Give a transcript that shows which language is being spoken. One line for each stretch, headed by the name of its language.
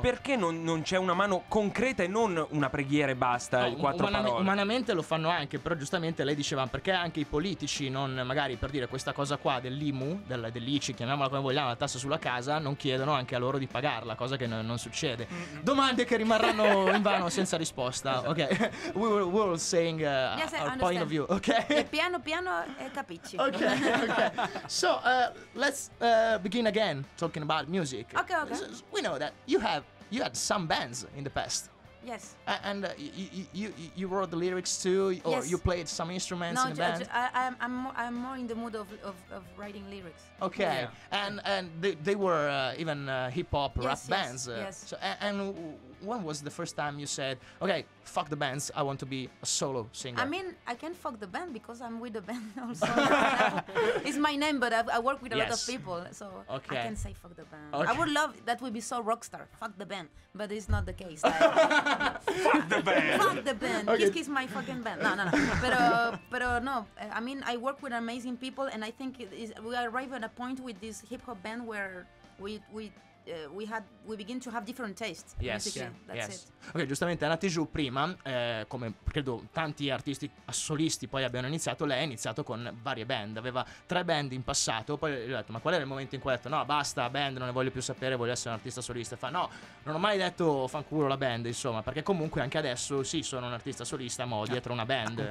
Italian: Perché non c'è una mano concreta e non una preghiera e basta, no, quattro parole? Umanamente lo fanno anche, però giustamente lei diceva, perché anche i politici non, magari per dire questa cosa qua dell'IMU, dell'ICI, chiamiamola come vogliamo, la tassa sulla casa, non chiedono anche a loro di pagarla, cosa che non succede. Domande che rimarranno in vano senza risposta, ok?
English: We were saying our point of view, ok?
Italian: E piano piano capisci.
English: Ok, ok. So, let's begin again talking about music. Okay. So, we know that you had some bands in the past. Yes. And you wrote the lyrics too, or yes, you played some instruments no, in the band. I'm more in the mood of writing lyrics. Okay. Yeah. And they were even hip hop yes, rap yes, bands. Yes. So and when was the first time you said, okay, fuck the bands, I want to be a solo singer? I mean, I can fuck the band because I'm with the band also. It's my name, but I work with a yes, lot of people, so okay, I can say fuck the band. Okay. I would love that would be so rockstar, fuck the band, but it's not the case. Fuck the band. Fuck the band. Okay. Kiss Kiss my fucking band. No. But no. I mean, I work with amazing people, and I think we arrive at a point with this hip hop band where we begin to have different tastes. Yes, musically. Yeah. That's yes, it.
Italian: Ok, giustamente Anna Tijoux prima, come credo tanti artisti solisti poi abbiano iniziato, lei ha iniziato con varie band, aveva tre band in passato, poi gli ho detto, ma qual era il momento in cui ha detto, no, basta, band, non ne voglio più sapere, voglio essere un artista solista? Fa, no, non ho mai detto fanculo la band, insomma, perché comunque anche adesso, sì, sono un artista solista, ma ho dietro una band.